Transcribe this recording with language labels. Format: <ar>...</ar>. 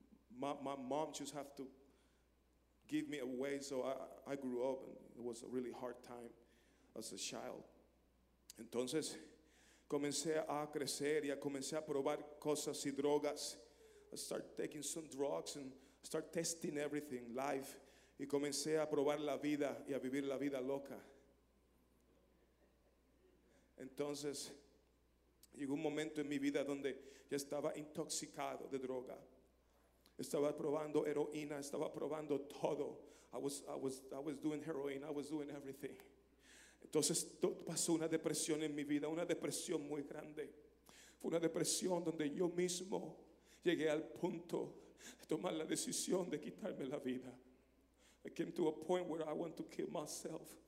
<en>My mom just have to give me away, so I grew up, and it was a really hard time as a child.</en> <es>Entonces, comencé a crecer y comencé a probar cosas y drogas.</es> <en>I start taking some drugs and start testing everything, life.</en> <es>Y comencé a probar la vida y a vivir la vida loca. Entonces, llegó un momento en mi vida donde ya estaba intoxicado de droga. Estaba probando heroína, estaba probando todo.</es> <en>I was doing heroin, I was doing everything.</en> <es>Entonces pasó una depresión en mi vida, una depresión muy grande. Fue una depresión donde yo mismo llegué al punto de tomar la decisión de quitarme la vida.</es> <en>I came to a point where I want to kill myself.</en>